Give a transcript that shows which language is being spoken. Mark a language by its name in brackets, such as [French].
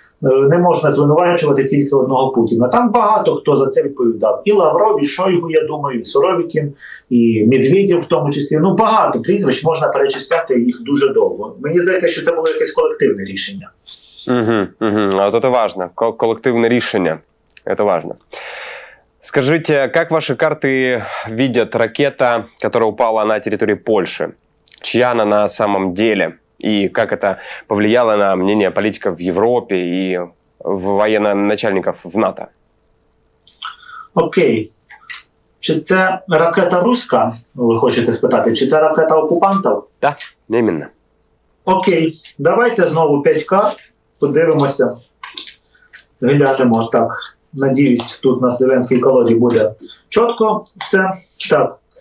[Ukrainian] Не можна звинувачувати тільки одного Путіна. Там багато хто за це відповідав. І Лавров, і Шойгу, я думаю, і Суровікін, і Медведєв в тому числі. Ну багато прізвищ, можна перечисляти їх дуже довго. Мені здається, що це було якесь колективне рішення. А от це важливо. Колективне рішення. Це важливо. [Russian] Скажите, как ваши карты видят ракета, которая упала на территории Польши? Чья она на самом деле? И как это повлияло на мнение политиков в Европе и в военно-начальников в НАТО? [Ukrainian] Окей. Чи це ракета руська, ви хочете спитати? Чи це ракета окупантів? Так, да, іменно. Окей, давайте знову 5 карт, подивимося, глянемо так. Надіюсь, тут на слов'янській колоді буде чітко все. Так,